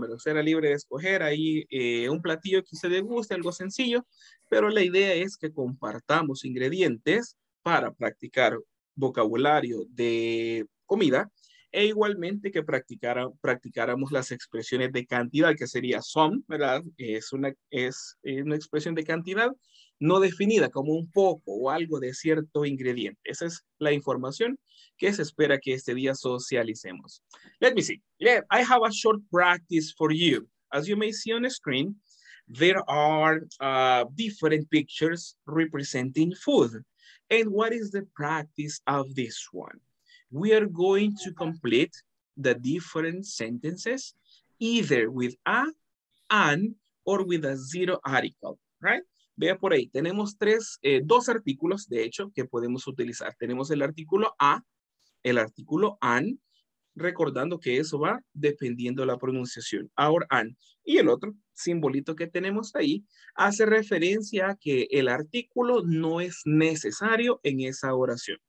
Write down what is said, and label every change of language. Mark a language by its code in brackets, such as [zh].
[es] Pero usted era libre de escoger ahí un platillo que usted le guste, algo sencillo, pero la idea es que compartamos ingredientes para practicar vocabulario de comida e igualmente que practicáramos las expresiones de cantidad, que sería some, ¿verdad? Es una expresión de cantidad no definida, como un poco o algo de cierto ingrediente. Esa es la información que se espera que este día socialicemos. [en] Let me see. Yeah, I have a short practice for you. As you may see on the screen, there are different pictures representing food. And what is the practice of this one? We are going to complete the different sentences either with a, an, or with a zero article, right? [es] Vea por ahí, tenemos dos artículos, de hecho, que podemos utilizar. Tenemos el artículo a, el artículo an, recordando que eso va dependiendo de la pronunciación. Our and. Y el otro simbolito que tenemos ahí hace referencia a que el artículo no es necesario en esa oración.